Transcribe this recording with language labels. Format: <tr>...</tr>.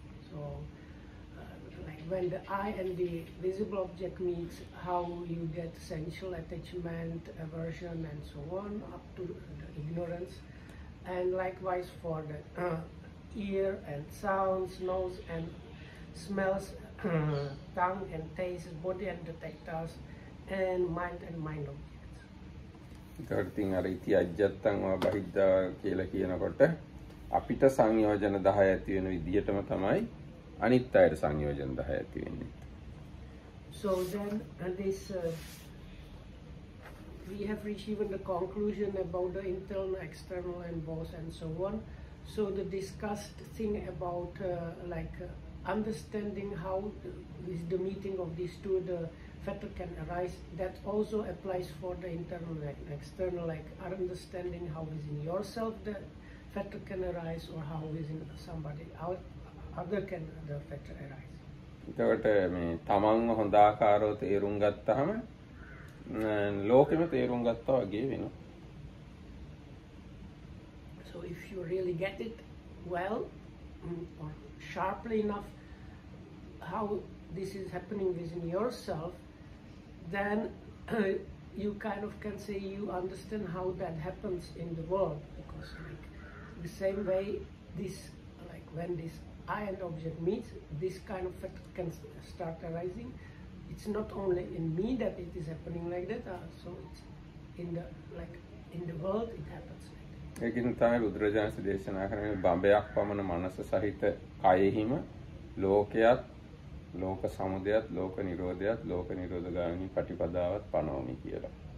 <en>So like when the eye and the visible object meets, how you get sensual attachment, aversion and so on, up to the ignorance, and likewise for the ear and sounds, nose and smells, tongue and taste, body and the tactiles, and mind and mind object.</en> <si>ඉතින් අර ඉති අජ්ජත්තං වා බහිද්දා කියලා කියනකොට අපිට සංයෝජන 10 ඇති වෙන විදිහටම තමයි අනිත් අයට සංයෝජන 10 ඇති වෙන්නේ.</si> <en>So then this we have reached even the conclusion about the internal, external and both and so on. So the discussed thing about understanding how is the meeting of these two, the fetter can arise, that also applies for the internal and external, like understanding how within yourself the fetter can arise or how within somebody other can the fetter arise.</en> <si>එතකොට මේ තමන්ව හොඳ ආකාරව තේරුම් ගත්තාම ලෝකෙම තේරුම් ගත්තා වගේ වෙනවා.</si> <en>So if you really get it well or sharply enough how this is happening within yourself, then you kind of can say you understand how that happens in the world, because like the same way this, like when this eye and object meets, this kind of fact can start arising. It's not only in me that it is happening like that, so it's in the world it happens like that.</en> <si>ඒකෙන් තමයි බුදුරජාණන් වහන්සේ දේශනා කරන්නේ බඹයක් පමණ මනස සහිත කයෙහිම ලෝකයක්, ලෝක සමුදයත්, ලෝක නිරෝධයත්, ලෝක නිරෝධ ගාමිනී ප්‍රතිපදාවත් පනවමි කියලා.</si>